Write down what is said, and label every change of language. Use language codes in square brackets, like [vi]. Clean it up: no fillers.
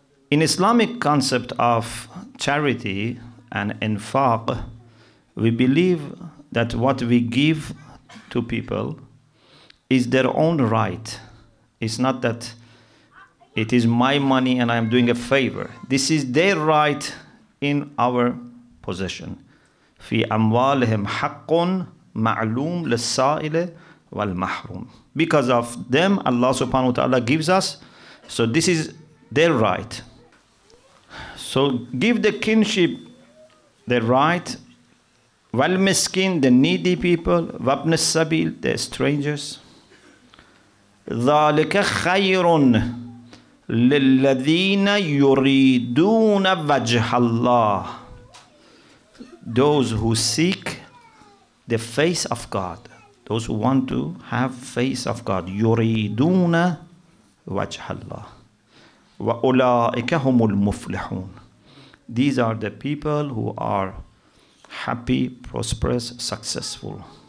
[en] In Islamic concept of charity and infaq, we believe that what we give to people is their own right. It's not that it is my money and I'm doing a favor. This is their right in our possession. [ar] في أموالهم حق معلوم للسائل والمحروم. [en] Because of them, Allah subhanahu wa ta'ala gives us. So this is their right. So give the kinship the right. والمسكين, the needy people. [ar] وابن السبيل, [en] the strangers. [ar] ذلك خير للذين يريدون وجه الله. [en] Those who seek the face of God, those who want to have face of God, [ar] yuriduna wajhallah, wa ulaika humul muflihun. [en] These are the people who are happy, prosperous, successful.